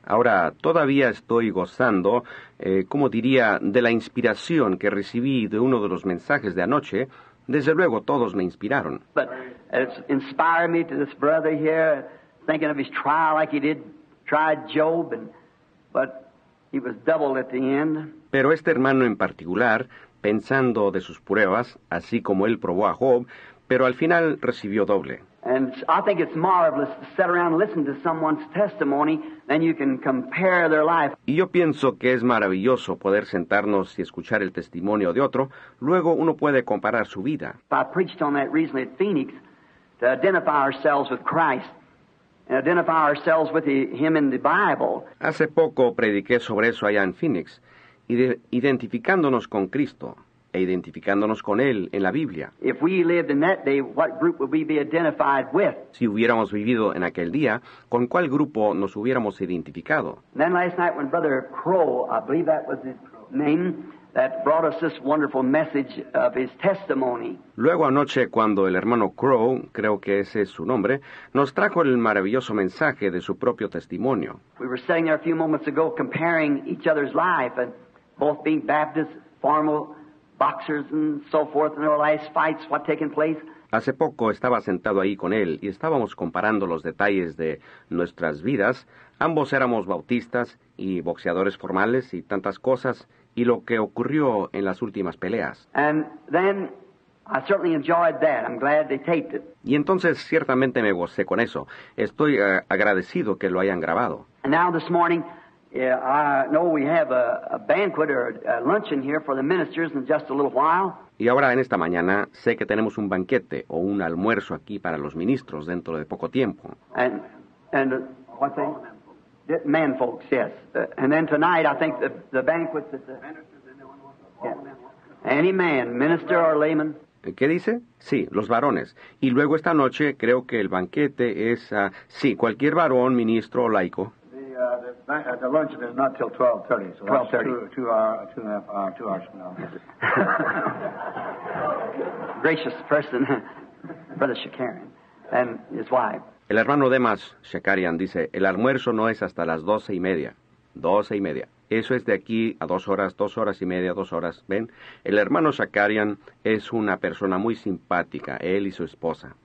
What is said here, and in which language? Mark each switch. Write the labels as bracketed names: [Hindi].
[Spanish] Ahora, todavía estoy gozando, de la inspiración que recibí de uno de los mensajes de anoche. Desde luego, todos me inspiraron. [English] But it's inspired me to this brother here, thinking of his trial like he did, tried Job, but he was doubled at the end. [Spanish] Pero este hermano en particular, pensando de sus pruebas, así como él probó a Job, pero al final recibió doble. [English] And I think it's marvelous to sit around and listen to someone's testimony, then you can compare their life. [Spanish] Y yo pienso que es maravilloso poder sentarnos y escuchar el testimonio de otro, luego uno puede comparar su vida. [English] I preached on that recently at Phoenix, to identify ourselves with Christ, and identify ourselves with him in the Bible. [Spanish] Hace poco prediqué sobre eso allá en Phoenix, identificándonos con Cristo, e identificándonos con él en la Biblia. [English] If we lived in that day, what group would we be identified with? [Spanish] Si hubiéramos vivido en aquel día, ¿con cuál grupo nos hubiéramos identificado? [English] And then last night when Brother Crow, I believe that was his name, that brought us this wonderful message of his testimony. [Spanish] Luego anoche cuando el hermano Crow, creo que ese es su nombre, nos trajo el maravilloso mensaje de su propio testimonio. [English] We were sitting there a few moments ago comparing each other's life, and both being Baptist, formal boxers and so forth, and their last fights, what taken place. [Spanish] Hace poco estaba sentado ahí con él y estábamos comparando los detalles de nuestras vidas. Ambos éramos bautistas y boxeadores formales y tantas cosas, y lo que ocurrió en las últimas peleas. [English] And then I certainly enjoyed that. I'm glad they taped it. [Spanish] Y entonces ciertamente me gocé con eso. Estoy agradecido que lo hayan grabado. [English] And now this morning, yeah, I know we have a banquet or a luncheon here for the ministers in just a little while. [Spanish] Y ahora en esta mañana sé que tenemos un banquete o un almuerzo aquí para los ministros dentro de poco tiempo. [English] And what's that? Man folks, yes. And then tonight I think the banquet that the yeah. Any man, minister or layman. [Spanish] ¿Qué dice? Sí, los varones. Y luego esta noche creo que el banquete es sí, cualquier varón, ministro o laico. [English] The luncheon is not till 12:30, so 12:30. That's two and a half hours from now. Gracious person, Brother Shakarian and his wife. [Spanish] El hermano Demas Shakarian dice, el almuerzo no es hasta las 12:30. 12:30. Eso es de aquí a dos horas y media. ¿Ven? El hermano Shakarian es una persona muy simpática, él y su esposa.